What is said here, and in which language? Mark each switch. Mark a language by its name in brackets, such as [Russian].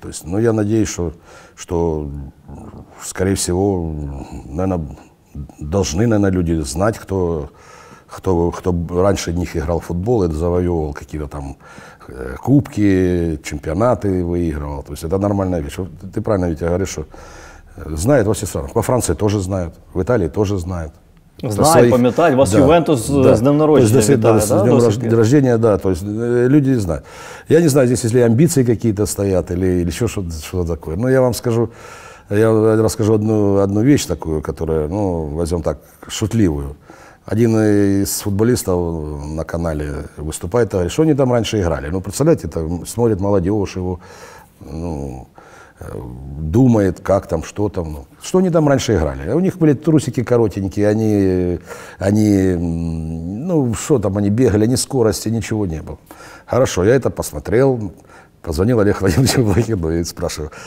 [Russian] То есть, ну, я надеюсь, что скорее всего, наверное, должны, наверное, люди знать, кто раньше них играл в футбол и завоевывал какие-то там кубки, чемпионаты выигрывал. То есть, это нормальная вещь. Ты правильно ведь говоришь, что знают во всех странах. Во Франции тоже знают, в Италии тоже знают. [Ukrainian] Знаю, пам'ятаю, у вас Ювентус з днем народження вітає, да? З днем народження, да, то есть люди знають. Я не знаю, здесь ли амбиції якісь стоять, или ще що таке. [Russian] Ну, я вам скажу, я розкажу одну вещь таку, которая, ну, возьмем так, шутливую. [Ukrainian] Один із футболістів на каналі виступає, говорить, що вони там раніше грали. [Russian] Ну, представляєте, там смотрять молодежь його, ну, думает, как там, что там. Что они там раньше играли? У них были трусики коротенькие, они ну, что там, они бегали, ни скорости, ничего не было. Хорошо, я это посмотрел, позвонил Олегу Владимировичу Блохину и спрашиваю.